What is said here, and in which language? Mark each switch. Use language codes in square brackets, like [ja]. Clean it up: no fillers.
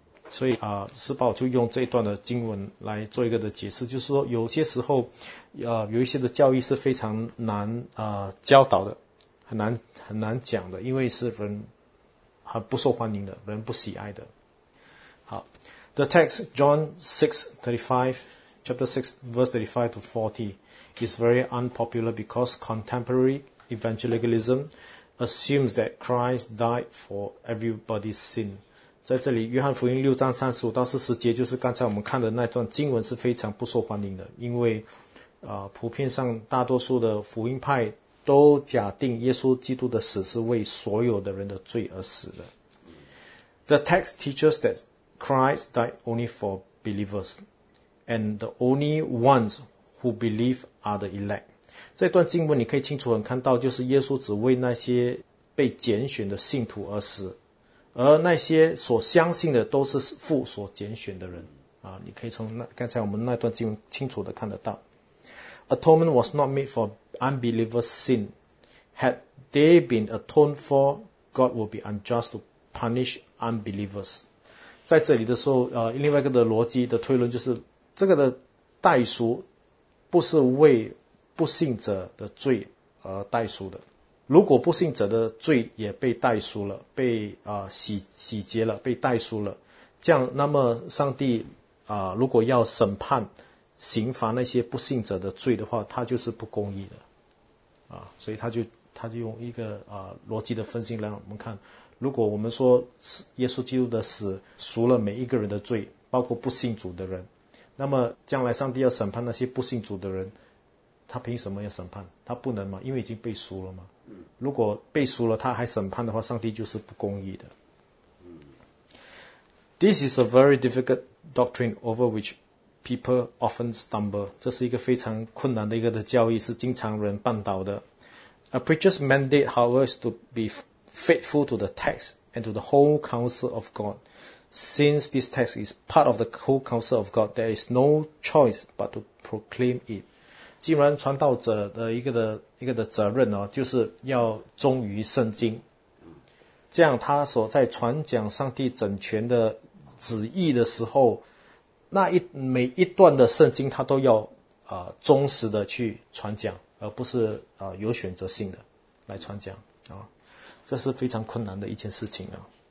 [zh] 所以施宝就用这一段的经文来做一个的解释，就是说有些时候有一些的教义是非常难教导的，很难讲的，因为是人很不受欢迎的，人不喜爱的。 [en] 好， The text John 6:35 chapter 6 verse 35 to 40 is very unpopular because contemporary evangelicalism assumes that Christ died for everybody's sin。 [zh] 在这里约翰福音六章三十五到四十节，就是刚才我们看的那段经文是非常不受欢迎的，因为普遍上大多数的福音派都假定耶稣基督的死是为所有的人的罪而死的。 [en] The text teaches that Christ died only for believers and the only ones who believe are the elect。 [zh] 这段经文你可以清楚很看到，就是耶稣只为那些被拣选的信徒而死，而那些所相信的都是父所拣选的人你可以从刚才我们那段经文清楚的看得到。 [en] Atonement was not made for unbelievers' sin. Had they been atoned for, God would be unjust to punish unbelievers. [zh] 在这里的时候另外一个的逻辑的推论就是，这个的代赎不是为不信者的罪而代赎的，如果不信者的罪也被代赎了，被洗劫了，被代赎了，这样那么上帝如果要审判刑罚那些不信者的罪的话，他就是不公义的所以他就用一个逻辑的分析让我们看，如果我们说耶稣基督的死赎了每一个人的罪，包括不信主的人，那么将来上帝要审判那些不信主的人，他凭什么要审判？他不能吗？因为已经被赎了吗？如果被赎了他还审判的话，上帝就是不公义的。 [en] This is a very difficult doctrine over which people often stumble. [zh] 这是一个非常困难的一个的教义，是经常人绊倒的。 [en] A preacher's mandate, however, is to be faithful to the text and to the whole counsel of God. Since this text is part of the whole counsel of God, there is no choice but to proclaim it. [zh] 既然传道者的一个的责任就是要忠于圣经，这样他所在传讲上帝整全的旨意的时候，那一每一段的圣经他都要忠实的去传讲，而不是有选择性的来传讲啊，这是非常困难的一件事情啊。